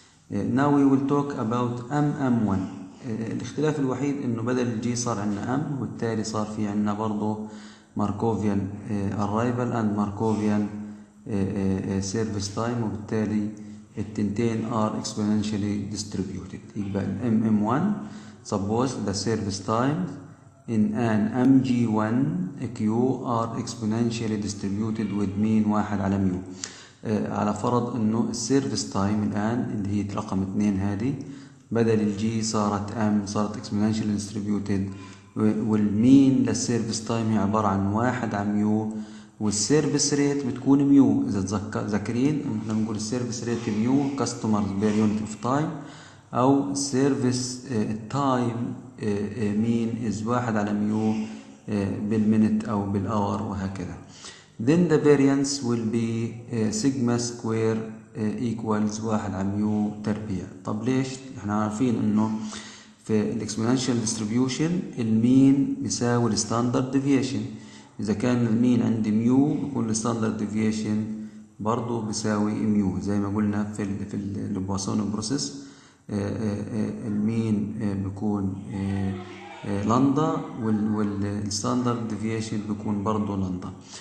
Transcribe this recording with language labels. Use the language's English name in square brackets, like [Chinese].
[English] Now we will talk about MM1. [Arabic] الاختلاف الوحيد انه بدل الجي صار عندنا M، وبالتالي صار في عندنا برضو [English] Markovian arrival and Markovian service time، [Arabic] وبالتالي التنتين [English] are exponentially distributed. يبقى ال MM1 suppose the service times in an MG1 queue are exponentially distributed with mean 1 على mu. [Arabic] على فرض انه service time الان اللي هي رقم 2 هذه بدل ال G صارت M، صارت [English] exponentially distributed، [Arabic] وال mean للservice time هي عبارة عن 1 على mu، والسيرفيس ريت بتكون ميو. اذا تذكرين احنا بنقول السيرفيس ريت ميو [English] customer per unit of time, [Arabic] او [English] service time mean is [Arabic] 1 على ميو بالمينت او بالاور وهكذا. [English] Then the variance will be sigma square equals 1 على mu تربيع. [Arabic] طب ليش؟ احنا عارفين انه في الاكسبوننشال ديستريبيوشن المين بيساوي الستاندرد ديفيشن. إذا كان المين عندي ميو بيكون الستاندرد ديفيشن برضو بيساوي ميو، زي ما قلنا في البواسون بروسيس المين بيكون لندا، والستاندرد ديفيشن بيكون برضو لندا.